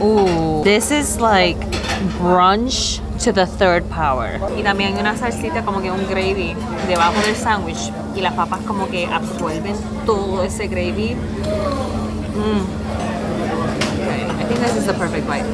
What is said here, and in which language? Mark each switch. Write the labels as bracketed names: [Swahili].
[English] Ooh, this is like brunch to the third power. [Spanish] Y también hay una salsita, como que un gravy debajo del sándwich, y las papas como que absorben todo ese gravy. [English] Okay, I think this is the perfect bite.